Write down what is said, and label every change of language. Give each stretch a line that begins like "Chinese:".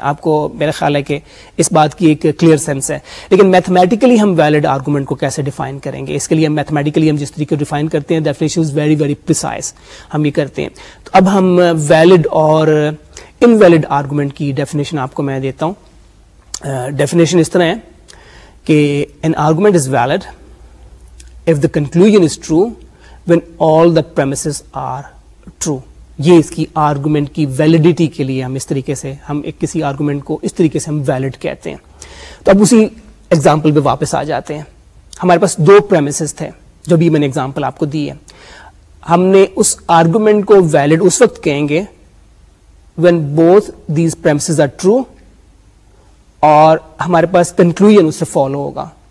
Urdu: آپ کو میرا خیال ہے کہ اس بات کی ایک کلیئر سینس ہے, لیکن میتھمیٹیکلی ہم ویلڈ آرگومنٹ کو کیسے ڈیفائن کریں گے, اس کے لیے میتھمیٹیکلی ہم جس طریقے کو ڈیفائن کرتے ہیں
English: definition is very very precise
Urdu: ہم یہ کرتے ہیں. تو اب ہم ویلڈ اور انویلڈ آرگومنٹ کی ڈیفینیشن آپ کو میں دیتا ہوں.
English: definition
Urdu: اس طرح ہے کہ
English: An argument is valid if the conclusion is true when all the premises are true.
Urdu: یہ اس کی آرگومنٹ کی ویلیڈیٹی کے لیے ہم اس طریقے سے ہم ایک کسی آرگومنٹ کو اس طریقے سے ہم ویلڈ کہتے ہیں. تو اب اسی ایگزامپل پہ واپس آ جاتے ہیں. ہمارے پاس دو پریمیسز تھے جو بھی میں نے ایگزامپل آپ کو دی ہے. ہم نے اس آرگومنٹ کو ویلڈ اس وقت کہیں گے
English: when both these premises are true,
Urdu: اور ہمارے پاس کنکلوژن اس سے فالو ہوگا.